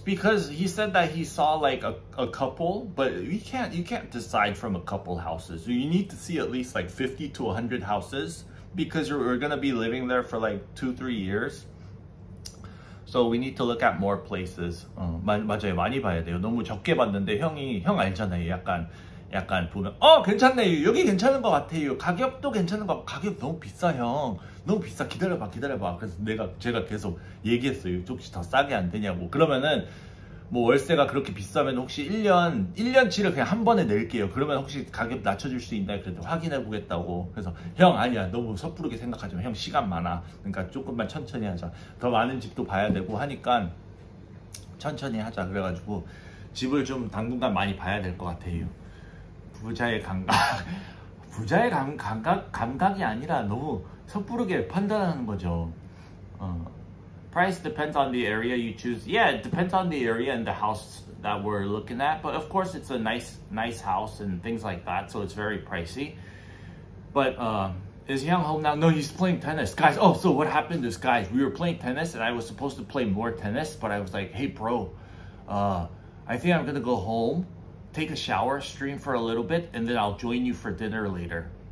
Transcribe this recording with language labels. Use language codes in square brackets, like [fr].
[en] Because he said that he saw like a couple, but you can't decide from a couple houses. You need to see at least like 50 to 100 houses. Because we're gonna be living there for like 2-3 years, so we need to look at more places. [ko] 맞아요, 많이 봐야 돼요. 너무 적게 봤는데 형 알잖아요. 약간 보면 괜찮네요. 여기 괜찮은 것 같아요. 가격도 괜찮은 것 같아요. 가격 너무 비싸 형. 너무 비싸. 기다려봐. 그래서 제가 계속 얘기했어요. 혹시 더 싸게 안 되냐고. 그러면은 뭐 월세가 그렇게 비싸면 혹시 1년치를 그냥 한 번에 낼게요. 그러면 혹시 가격 낮춰줄 수 있나 그래도 확인해 보겠다고. 그래서 형 아니야 너무 섣부르게 생각하지 마. 형 시간 많아. 그러니까 조금만 천천히 하자. 더 많은 집도 봐야 되고 하니까 천천히 하자 그래가지고 집을 좀 당분간 많이 봐야 될 것 같아요. 부자의 감각, 부자의 감각이 아니라 너무 섣부르게 판단하는 거죠. [en] Price depends on the area you choose. Yeah, it depends on the area and the house that we're looking at. But of course, it's a nice house and things like that. So it's very pricey. But is Young home now? No, he's playing tennis. Guys, oh, so what happened to this guy? We were playing tennis and I was supposed to play more tennis. But I was like, hey, bro, I think I'm going to go home, take a shower, stream for a little bit, and then I'll join you for dinner later.